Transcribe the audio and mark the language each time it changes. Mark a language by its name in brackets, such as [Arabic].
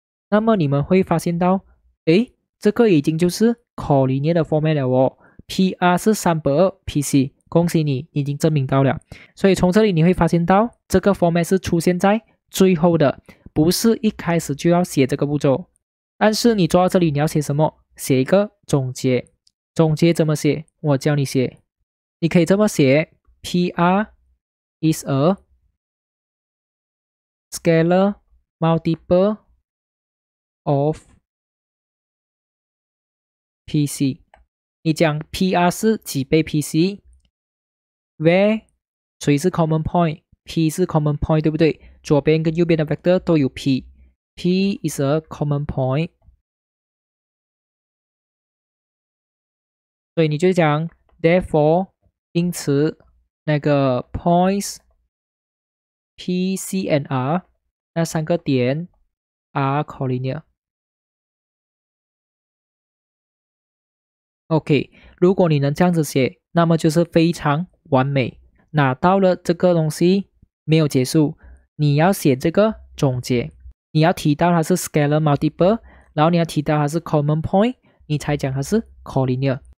[Chinese] 那么你们会发现到，诶，这个已经就是 collinear 的 format 了哦， PR 是 32PC，恭喜你，你已经证明到了。所以从这里你会发现到这个 format 是出现在最后的，不是一开始就要写这个步骤。但是你做到这里你要写什么？写一个总结。总结怎么写？我教你写。你可以这么写， [English] PR is a scalar multiple of PC。 [Chinese] 你讲 PR 是几倍 PC，where 谁是 common point， P 是 common point， 对不对？左边跟右边的 vector 都有 P， [English] P is a common point。 [Chinese] 所以你就讲 therefore， 因此那个 points P, C and R 那三个点 are collinear。 OK， 如果你能这样子写，那么就是非常完美。拿到了这个东西没有结束，你要写这个总结，你要提到它是 scalar multiple， 然后你要提到它是 common point， 你才讲它是 collinear。